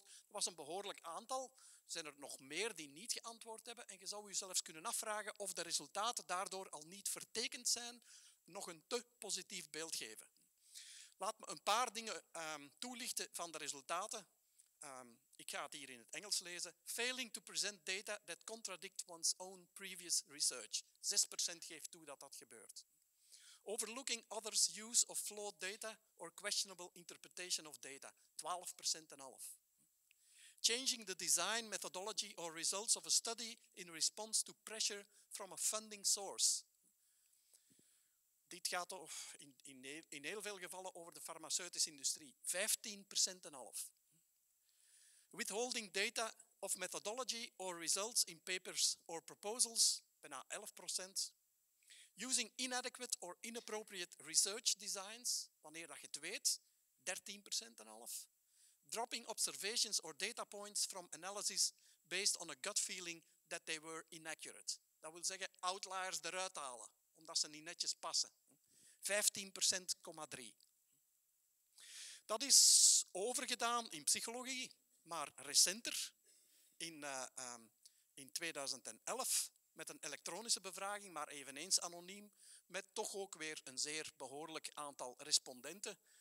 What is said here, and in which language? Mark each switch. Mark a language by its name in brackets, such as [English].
[Dutch] Dat was een behoorlijk aantal. Er zijn er nog meer die niet geantwoord hebben. En je zou jezelf kunnen afvragen of de resultaten daardoor al niet vertekend zijn, nog een te positief beeld geven. Laat me een paar dingen toelichten van de resultaten. Ik ga het hier in het Engels lezen. [English] Failing to present data that contradict one's own previous research. [Dutch] 6% geeft toe dat dat gebeurt. [English] Overlooking others' use of flawed data or questionable interpretation of data. [Dutch] 12% en half. [English] Changing the design, methodology or results of a study in response to pressure from a funding source. [Dutch] Dit gaat in heel veel gevallen over de farmaceutische industrie. 15% en half. [English] Withholding data of methodology or results in papers or proposals, [Dutch] bijna 11%. [English] Using inadequate or inappropriate research designs, [Dutch] wanneer dat je het weet, 13% en half. [English] Dropping observations or data points from analysis based on a gut feeling that they were inaccurate. [Dutch] Dat wil zeggen outliers eruit halen, omdat ze niet netjes passen. 15,3%. Dat is overgedaan in psychologie. Maar recenter, in 2011, met een elektronische bevraging, maar eveneens anoniem, met toch ook weer een zeer behoorlijk aantal respondenten.